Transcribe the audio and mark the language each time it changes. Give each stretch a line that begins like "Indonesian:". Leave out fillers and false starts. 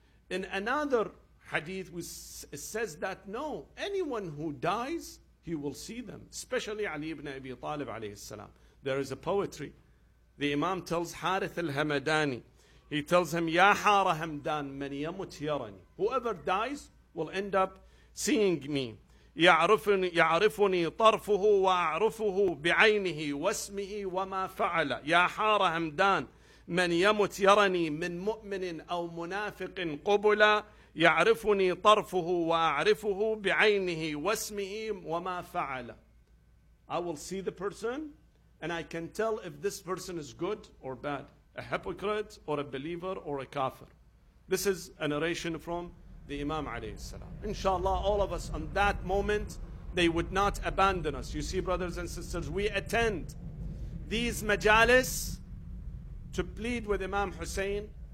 English: In another hadith, it says that no, anyone who dies, he will see them, especially Ali ibn Abi Talib alayhi salam. There is a poetry. The Imam tells Harith al-Hamadani, he tells him,
Arabic: Ya Hara Hamdan, man yamut yarani.
English: Whoever dies will end up seeing me.
Arabic: يعرفني طرفه وأعرفه بعينه واسمه وما فعل يا حار همدان من يمت يرني من مؤمن أو منافق قبلا يعرفني طرفه وأعرفه بعينه واسمه وما فعل.
English: I will see the person and I can tell if this person is good or bad, a hypocrite or a believer or a kafir. This is a narration from the Imam alayhi salam. Inshallah, all of us on that moment, they would not abandon us. You see, brothers and sisters, we attend these majalis to plead with Imam Hussein.